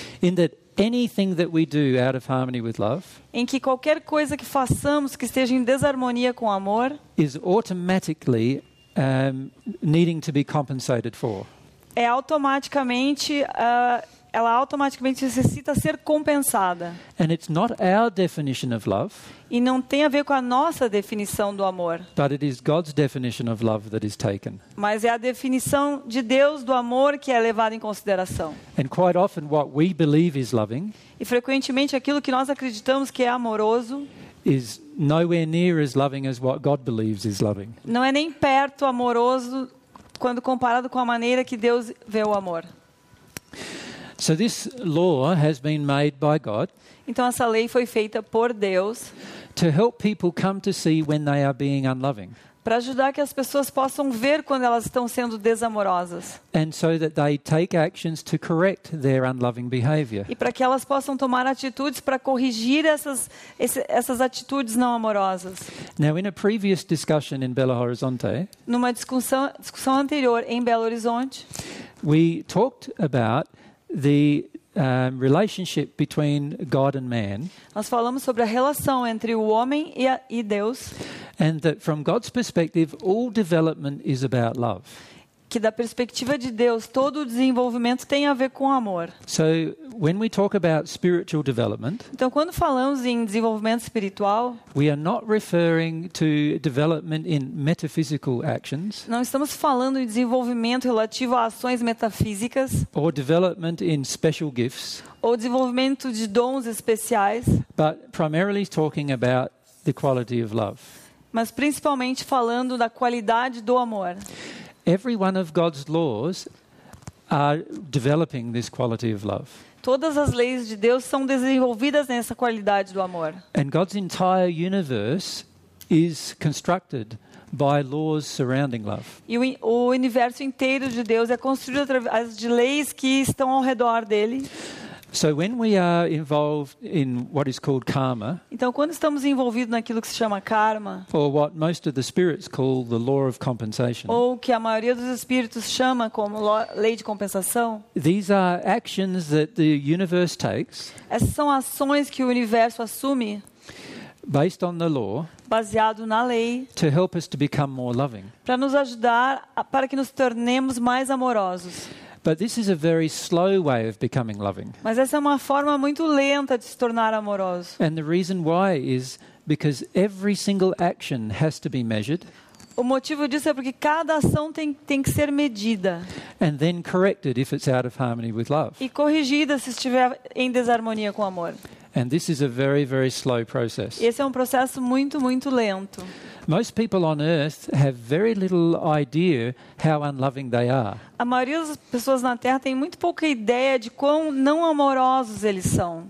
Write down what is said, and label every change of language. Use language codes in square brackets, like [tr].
[en] In that anything that we do out of harmony with love, [pt] em que qualquer coisa que façamos que esteja em desarmonia com amor, [en] is automatically needing to be compensated for. [pt] É automaticamente ela automaticamente necessita ser compensada. [en] And it's not our definition of love. [pt] E não tem a ver com a nossa definição do amor. [en] But it is God's definition of love that is taken. [pt] Mas é a definição de Deus do amor que é levada em consideração. [en] And quite often what we believe is loving, [pt] e frequentemente aquilo que nós acreditamos que é amoroso, [en] is nowhere near as loving as what God believes is loving. [pt] Não é nem perto amoroso quando comparado com a maneira que Deus vê o amor. [en] So this law has been made by God. [pt] Então essa lei foi feita por Deus. [en] To help people come to see when they are being unloving. [pt] Para ajudar que as pessoas possam ver quando elas estão sendo desamorosas. [en] And so that they take actions to correct their unloving behavior. [pt] E para que elas possam tomar atitudes para corrigir essas atitudes não amorosas. [en] Now in a previous discussion in Belo Horizonte. [pt] Numa discussão anterior em Belo Horizonte. [en] We talked about the relationship between God and man. [pt] Nós falamos sobre a relação entre o homem e Deus. [en] And that from God's perspective, all development is about love. [pt] Que da perspectiva de Deus, todo o desenvolvimento tem a ver com amor. [en] So when we talk about spiritual development, [pt] então quando falamos em desenvolvimento espiritual, [en] we are not referring to development in metaphysical actions. [pt] Não estamos falando em desenvolvimento relativo a ações metafísicas. [en] Or development in special gifts. [pt] Ou desenvolvimento de dons especiais. [en] But primarily talking about the quality of love. [pt] Mas principalmente falando da qualidade do amor. [en] Every one of God's laws are developing this quality of love. [pt] Todas as leis de Deus são desenvolvidas nessa qualidade do amor. [en] And God's entire universe is constructed by laws surrounding love. [pt] E o universo inteiro de Deus é construído através de leis que estão ao redor dele. [en] So when we are involved in what is called karma, [pt] então quando estamos envolvidos naquilo que se chama karma, [en] or what most of the spirits call the law of compensation, [pt] ou que a maioria dos espíritos chama como lei de compensação, [en] these are actions that the universe takes, [pt] essas são ações que o universo assume, [en] based on the law, [pt] baseado na lei, [en] to help us to become more loving, [pt] para nos ajudar para que nos tornemos mais amorosos. [en] But this is a very slow way of becoming loving. [pt] Mas essa é uma forma muito lenta de se tornar amoroso. [en] And the reason why is because every single action has to be measured. [pt] O motivo disso é porque cada ação tem que ser medida. [en] And then corrected if it's out of harmony with love. [pt] E corrigida se estiver em desarmonia com amor. [en] And this is a very, very slow process. [pt] Esse é um processo muito, muito lento. [en] Most people on earth have very little idea how unloving they are. [pt] A maioria das pessoas na Terra tem muito pouca ideia de quão não amorosos eles são.